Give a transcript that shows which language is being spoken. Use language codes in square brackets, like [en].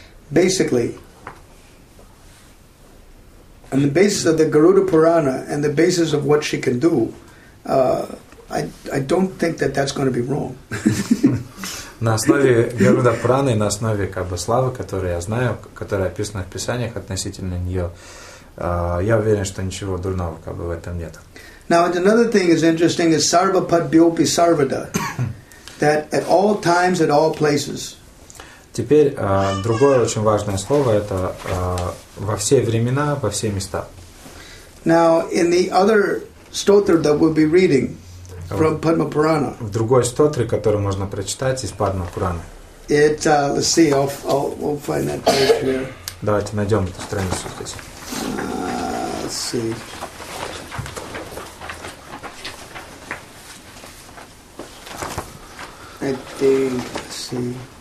[en] Basically, on the basis of the Garuda Purana and the basis of what she can do, I don't think that that's going to be wrong. [ru] На основе Гаруда Праны, на основе как бы славы, которую я знаю, которая описана в Писаниях относительно нее, я уверен, что ничего дурного как бы в этом нет. [en] Now another thing is interesting is Sarva Padbhyopi Sarvada, that at all times, at all places. [ru] Теперь другое очень важное слово это во все времена, во все места. [en] Now in the other stotra that we'll be reading. From Padma Purana. [ru] В другой стотре, которую можно прочитать из Падма Пурана. [en] It, let's see, I'll find that page here. [ru] Давайте найдем эту страницу здесь. [en] Let's see. I think, let's see.